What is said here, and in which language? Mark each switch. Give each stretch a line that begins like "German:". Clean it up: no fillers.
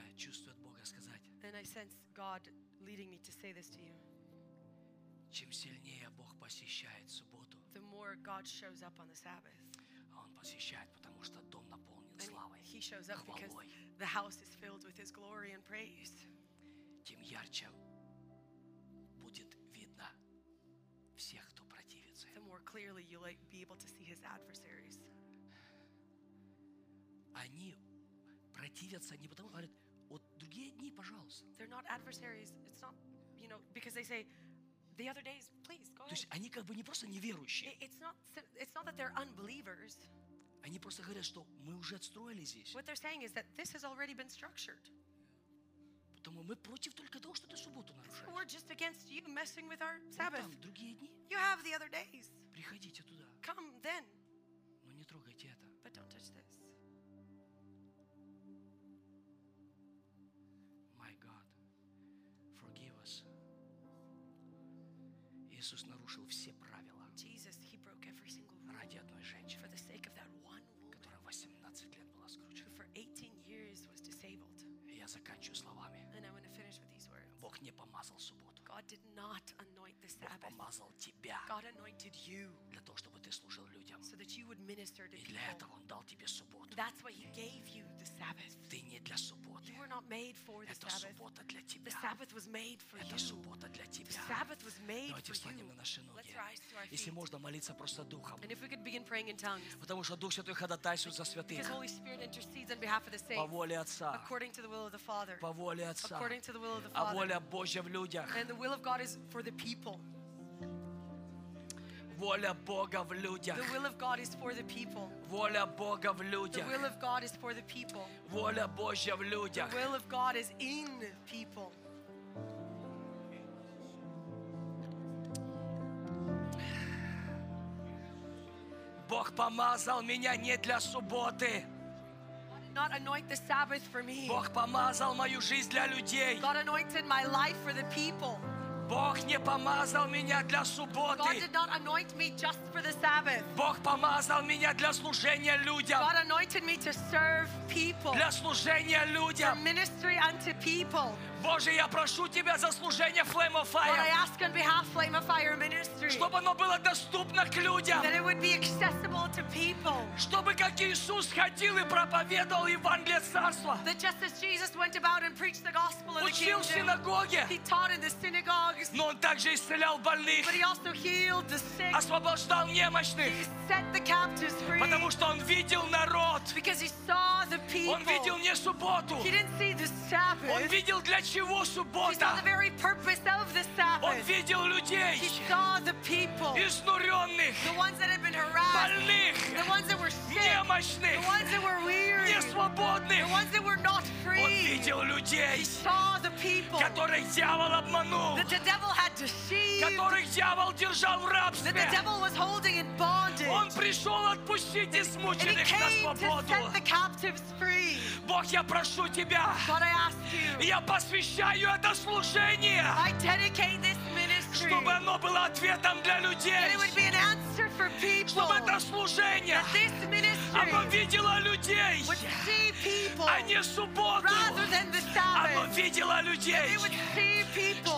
English: And I sense God leading me to say this to you.
Russian: Чем сильнее Бог посещает субботу,
English: the more God shows up on the Sabbath.
Russian: Он посещает, потому что дом наполнен славой,
English: He shows up
Russian: хвалой.
English: Because the house is filled with His glory and praise.
Russian: Тем ярче будет видно всех, кто противится.
English: The more clearly you'll be able to see His adversaries.
Russian: Они противятся не потому, говорят, вот другие дни, пожалуйста.
English: They're not adversaries. It's not, you know, because they say the other days, please go.
Russian: То есть они как бы не просто неверующие.
English: It's not that they're unbelievers.
Russian: Они просто говорят, что мы уже отстроили здесь.
English: What they're saying is that this has already been structured.
Russian: Потому мы против только того, что ты субботу нарушаешь.
English: We're just against you messing with our Sabbath.
Russian: Там другие дни.
English: You have the other days.
Russian: Приходите туда.
English: Come then.
Russian: Но не трогайте это.
English: But don't touch this. My God, forgive us.
Russian: Иисус нарушил все правила.
English: Jesus, he broke every single rule.
Russian: Ради одной женщины.
English: For the sake of that one woman.
Russian: Которая 18 лет была скручена.
English: For 18 years was disabled.
Russian: Я заканчиваю словами.
English: And I want to finish with these words.
Russian: Бог не помазал субботу.
English: God did not anoint the Sabbath.
Russian: Бог помазал тебя.
English: God anointed you.
Russian: Для того, чтобы ты служил людям.
English: So that you would minister to people.
Russian: И для этого он дал тебе субботу.
English: That's why he gave you the Sabbath.
Russian: Ты не для субботы.
English: You were not made for the Sabbath.
Russian: Это суббота для тебя.
English: The Sabbath was made for you.
Russian: Это суббота для тебя.
English: The Sabbath was made for you.
Russian: Давайте встанем на наши ноги.
English: Let's rise to our feet.
Russian: Если можно молиться просто духом.
English: And if we could begin praying in tongues.
Russian: Потому что Дух Святой ходатайствует за святых.
English: Because Holy Spirit intercedes on behalf of the saints.
Russian: По воле Отца.
English: According to the will of the Father.
Russian: По воле Отца.
English: According to the will of the Father.
Russian: А воля Божья в людях.
English: And the will of God is for the people.
Russian: Воля Бога в людях.
English: The will of God is for the people.
Russian: Воля Бога в людях.
English: The will of God is for the people.
Russian: Воля Божья в людях.
English: The will of God is in people.
Russian: Бог помазал меня не для субботы.
English: Not anoint the Sabbath for me.
Russian: Бог помазал мою жизнь для людей.
English: God anointed my life for the people.
Russian: Бог не помазал меня для субботы.
English: God did not anoint me just for the Sabbath.
Russian: Бог помазал меня для служения людям.
English: God anointed me to serve people.
Russian: Для служения людям.
English: For ministry unto people.
Russian: Боже, я прошу тебя за служение Flame of Fire.
English: Lord, I ask on behalf of Flame of Fire Ministry.
Russian: Чтобы оно было доступно к людям.
English: That it would be accessible to people.
Russian: Чтобы как Иисус ходил и проповедовал Евангелие Царства.
English: That just as Jesus went about and preached the gospel in the kingdom.
Russian: Учил в синагоге.
English: He taught in the synagogues.
Russian: Но он также исцелял больных.
English: But he also healed the sick.
Russian: Освобождал немощных.
English: He set the captives free.
Russian: Потому что он видел народ.
English: Because he saw the people.
Russian: Он видел не субботу.
English: He didn't see the Sabbath.
Russian: Он видел для чего суббота?
English: He saw the very purpose of the Sabbath.
Russian: Он видел людей.
English: He saw the people.
Russian: Изнуренных.
English: The ones that had been harassed.
Russian: Больных.
English: The ones that were sick.
Russian: Немощных.
English: The ones that were weary.
Russian: Несвободных.
English: The ones that were not free.
Russian: Он видел людей.
English: He saw the people.
Russian: Которых дьявол обманул.
English: That the devil had deceived.
Russian: Которых дьявол держал в рабстве.
English: That the devil was holding in bondage.
Russian: Он пришел отпустить измученных на свободу.
English: He came to set the captives free.
Russian: Бог, я прошу тебя.
English: God, I ask you.
Russian: Я посвящаю это служение,
English: I dedicate this ministry,
Russian: чтобы оно было ответом для людей,
English: that it would be an answer for people,
Russian: чтобы это служение,
English: that this ministry,
Russian: оно видело людей,
English: would see people,
Russian: а не субботу,
English: rather than the Sabbath,
Russian: оно видело людей,
English: that it would see people,